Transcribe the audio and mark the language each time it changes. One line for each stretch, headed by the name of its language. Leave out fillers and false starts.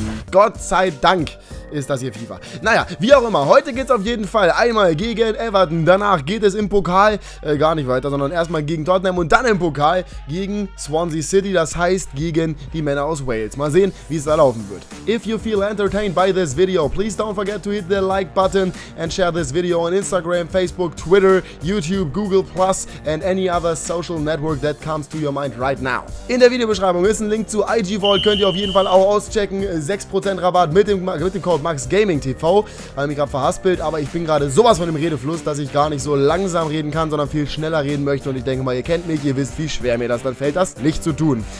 German: Gott sei Dank ist das hier FIFA. Naja, wie auch immer, heute geht es auf jeden Fall einmal gegen Everton. Danach geht es im Pokal gar nicht weiter, sondern erstmal gegen Tottenham und dann im Pokal gegen Swansea City, das heißt gegen die Männer aus Wales. Mal sehen, wie es da laufen wird.
English: If you feel entertained by this video, please don't forget to hit the like button and share this video on Instagram, Facebook, Twitter, YouTube, Google Plus and any other social network that comes to your mind right now.
German: In der Videobeschreibung ist ein Link zu IG Vault, könnt ihr auf jeden Fall auch auschecken. 6% Rabatt mit dem Code MaxGamingTV, weil mich gerade verhaspelt, aber ich bin gerade sowas von im Redefluss, dass ich gar nicht so langsam reden kann, sondern viel schneller reden möchte und ich denke mal, ihr kennt mich, ihr wisst, wie schwer mir das dann fällt, das nicht zu tun.